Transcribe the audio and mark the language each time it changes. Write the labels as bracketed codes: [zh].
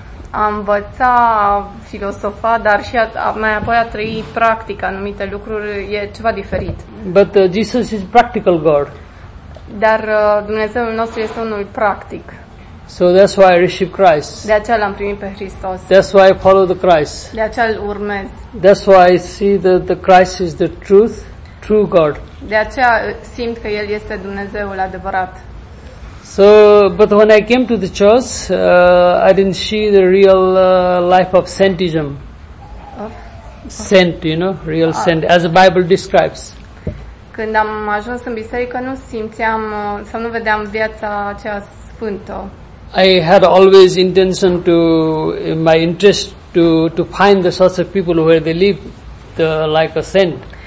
[ro] A învăța, a filosofa, dar și mai apoi a trăi practic anumite lucruri e ceva diferit. [en] But Jesus is practical God. [ro] Dar Dumnezeul nostru este unul practic. [en] So that's why I receive Christ. [ro] De aceea l-am primit pe Hristos. [en] That's why I follow the Christ. [ro] De aceea îl urmez. [en] That's why I see that the Christ is the truth, true God. [ro] De aceea simt că El este Dumnezeul adevărat. [en] So, but when I came to the church, I didn't see the real life of saintism. Saint, real saint, as the Bible describes. [ro] Când am ajuns în biserică, nu simțeam sau nu vedeam viața aceea sfântă. [en] I had always intention to, in my interest, to find the sorts of people where they live like a saint.